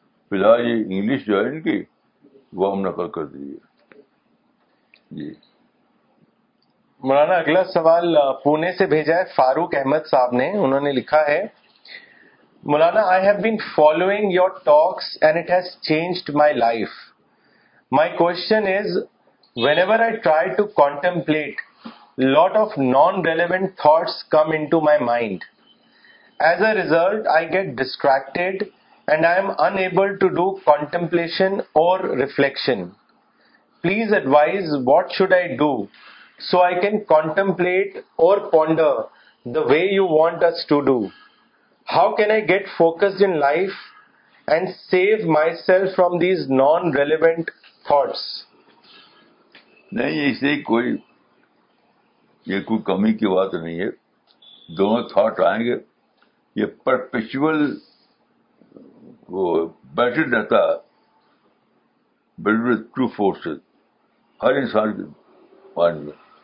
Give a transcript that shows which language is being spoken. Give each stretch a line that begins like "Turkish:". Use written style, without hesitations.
Urdu: فی الحال یہ انگلش جو ہے ان کی وہ ہم نقل کر دیجیے جی. مولانا اگلا سوال پونے سے بھیجا ہے فاروق احمد صاحب نے. انہوں نے لکھا ہے, مولانا
English: I have been following your talks and it has changed my life. My question is, whenever I try to contemplate, lot of non-relevant thoughts come into my mind. As a result, I get distracted and I am unable to do contemplation or reflection. Please advise, what should I do so I can contemplate or ponder the way you want us to do? How can I get focused in life and save myself from these non-relevant thoughts?
Urdu: نہیں, اس لیے کوئی یہ کوئی کمی کی بات نہیں ہے. دونوں تھاٹ آئیں گے, یہ پرپیچول بیٹھ رہتا ہے,
English: build with true force
Urdu: ہر انسان کے مائنڈ میں.